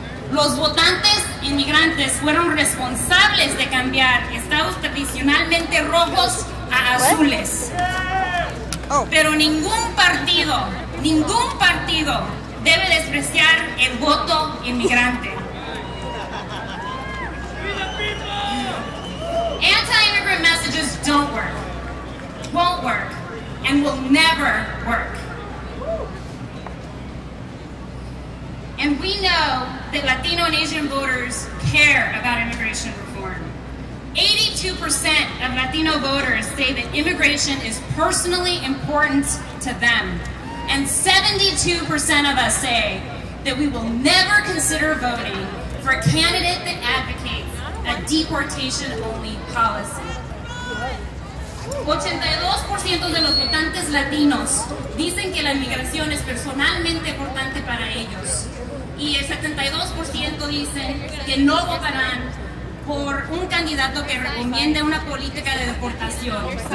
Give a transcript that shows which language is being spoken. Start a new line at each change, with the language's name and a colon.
Spanish: Los votantes inmigrantes fueron responsables de cambiar estados tradicionalmente rojos a azules. Pero ningún partido debe despreciar el voto inmigrante.
English: Anti-immigrant messages don't work, won't work, and will never work. And we know that Latino and Asian voters care about immigration reform. 82% of Latino voters say that immigration is personally important to them. And 72% of us say that we will never consider voting for a candidate that advocates a deportation-only policy.
Spanish: 82% de los votantes latinos dicen que la inmigración es personalmente importante para ellos. Y el 72% dicen que no votarán por un candidato que recomiende una política de deportación.